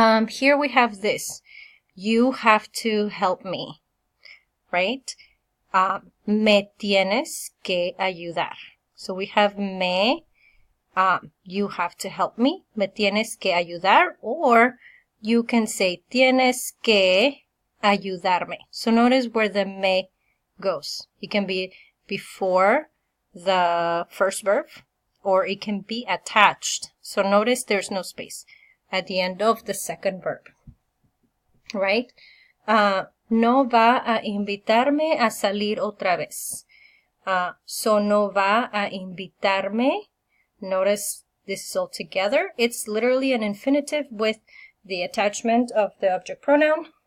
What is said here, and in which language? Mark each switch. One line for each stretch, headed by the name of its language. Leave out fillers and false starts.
English: here we have this. You have to help me, right?
Spanish: Me tienes que ayudar.
English: So we have me, you have to help me.
Spanish: Me tienes que ayudar.
English: Or you can say
Spanish: tienes que ayudarme.
English: So notice where the me goes. It can be before the first verb, or it can be attached. So notice there's no space at the end of the second verb, right?
Spanish: No va a invitarme a salir otra vez. So no va a invitarme.
English: Notice this is all together. It's literally an infinitive with the attachment of the object pronoun.